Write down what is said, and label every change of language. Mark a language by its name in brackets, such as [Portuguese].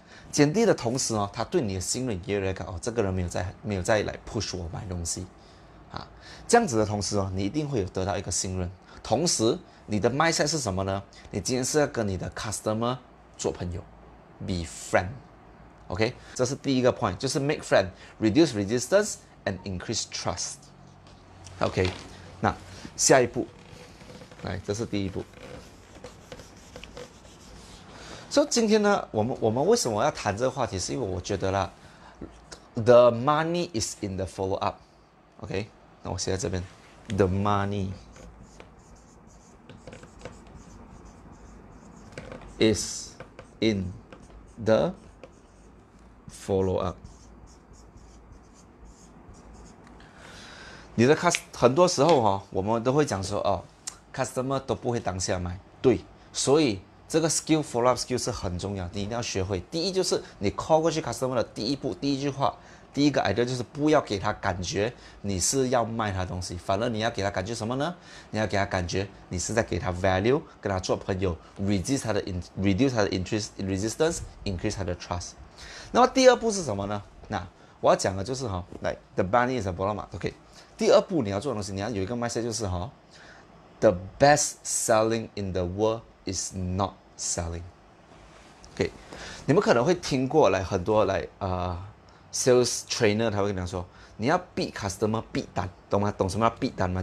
[Chinese] 减低的同时呢，他对你的信任也越来越高，哦，这个人没有再来 push 我买东西，啊，这样子的同时呢，你一定会有得到一个信任。同时，你的 mindset 是什么呢？你今天是要跟你的 customer 做朋友 ， [English] be friend。 OK， [Chinese] 这是第一个 [English] point， 就是 make friend， reduce resistance and increase trust。 [Chinese] OK， 那下一步，来，这是第一步。所以今天呢，我们为什么要谈这个话题？是因为我觉得啦 ， [English] the money is in the follow up。 [Chinese] OK， 那我写在这边 ， [English] the money is in the follow up。 [Chinese] 你的 cust 很多时候哈，哦，我们都会讲说哦 ，customer 都不会当下买，对，所以。这个 skill follow up skill 是很重要，你一定要学会。第一就是你 call 过去 customer 的第一步，第一句话，第一个 idea 就是不要给他感觉你是要卖他东西，反而你要给他感觉什么呢？你要给他感觉你是在给他 value， 跟他做朋友 ，reduce 他的 resistance，increase 他的 trust。那么第二步是什么呢？那我要讲的就是哈，来 ， [English] the money is a problem。 [Chinese] OK， 第二步你要做的东西，你要有一个 mindset 就是哈 ， [English] the best selling in the world。 Is not selling. [Chinese] Okay, 你们可能会听过来很多来sales trainer 他会跟你说，你要 beat customer beat 单，懂吗？懂什么叫 beat 单吗？